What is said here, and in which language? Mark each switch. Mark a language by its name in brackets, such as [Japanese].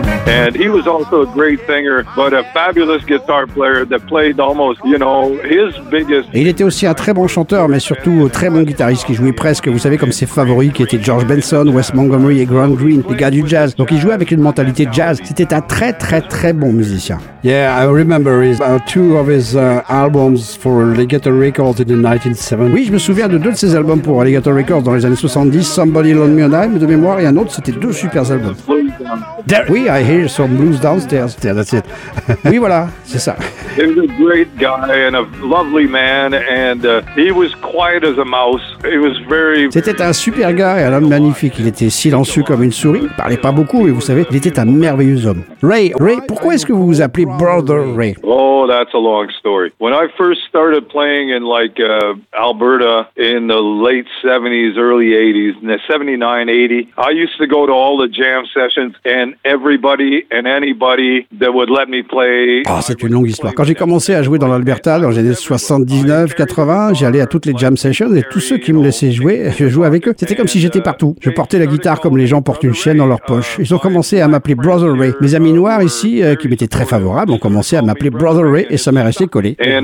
[English] And he was also a great singer, but a fabulous guitar player that played almost, you know, his biggest... [French] Et il était aussi un très bon chanteur, mais surtout un très bon guitariste qui jouait presque, vous savez, comme ses favoris qui étaient George Benson, Wes Montgomery et Graham Greene, les gars du jazz. Donc il jouait avec une mentalité jazz. C'était un très, très, très bon musicien. [English] Yeah, I remember his two of his albums for Alligator Records in the 1970s. [French] Oui, je me souviens de 2 de ses albums pour Alligator Records dans les années 70, Somebody Loaned Me a Dime, de mémoire, et un autre, c'était 2 super albums. [English] Oui, I hear some blues downstairs. Yeah, that's it. [French] Oui, voilà, c'est ça. [English] He was a great guy and a lovely man, and he was quiet as a mouse. He was very... [French] C'était un super gars et un homme magnifique. Il était silencieux comme une souris. Il parlait pas beaucoup, mais vous savez, il était un merveilleux homme. Ray, Ray, pourquoi est-ce que vous vous appelez Brother Ray? [English] Oh, that's a long story. When I first started playing in like Alberta in the late 70s, early 80s, in the 79, 80, I used to go to all the jam sessions. And everybody and anybody that would let me play. [French] Oh, c'est une longue histoire. Quand j'ai commencé à jouer dans l'Alberta dans les années 79-80, j'allais à toutes les jam sessions et tous ceux qui me laissaient jouer, je jouais avec eux. C'était comme si j'étais partout. Je portais la guitare comme les gens portent une chaîne dans leur poche. Ils ont commencé à m'appeler Brother Ray. Mes amis noirs ici, qui m'étaient très favorables, ont commencé à m'appeler Brother Ray et ça m'est resté collé.